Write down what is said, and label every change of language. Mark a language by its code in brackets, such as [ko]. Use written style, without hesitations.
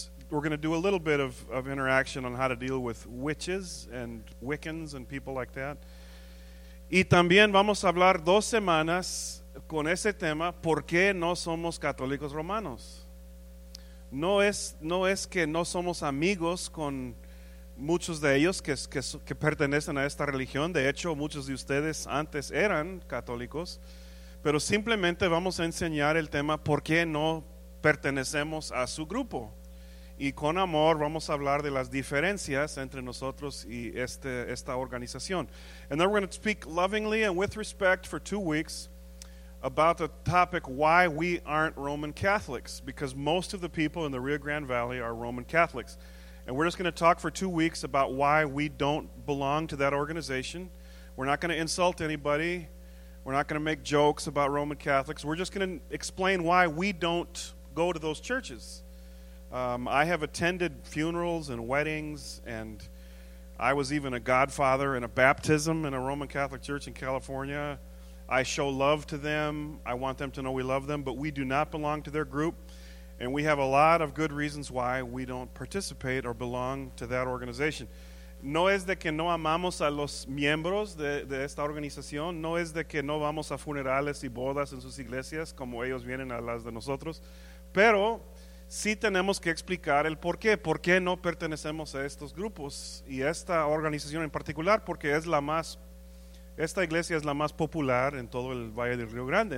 [en] We're going to do a little bit of interaction on how to deal with witches and Wiccans and people like that. [es] Y también vamos a hablar dos semanas con ese tema, ¿por qué no somos católicos romanos? No es que no somos amigos con muchos de ellos que pertenecen a esta religión. De hecho, muchos de ustedes antes eran católicos, pero simplemente vamos a enseñar el tema, ¿por qué no pertenecemos a su grupo? Y con amor vamos a hablar de las diferencias entre nosotros y esta organización. [en] And then we're going to speak lovingly and with respect for 2 weeks about the topic, why we aren't Roman Catholics, because most of the people in the Rio Grande Valley are Roman Catholics. And we're just going to talk for 2 weeks about why we don't belong to that organization. We're not going to insult anybody. We're not going to make jokes about Roman Catholics. We're just going to explain why we don't go to those churches. I have attended funerals and weddings, and I was even a godfather in a baptism in a Roman Catholic church in California. I show love to them. I want them to know we love them, but we do not belong to their group. And we have a lot of good reasons why we don't participate or belong to that organization. [es] No es de que no amamos a los miembros de esta organización. No es de que no vamos a funerales y bodas en sus iglesias como ellos vienen a las de nosotros. Pero sí tenemos que explicar el por qué. ¿Por qué no pertenecemos a estos grupos? Y esta organización en particular, porque es la más, esta iglesia es la más popular en todo el Valle del Río Grande.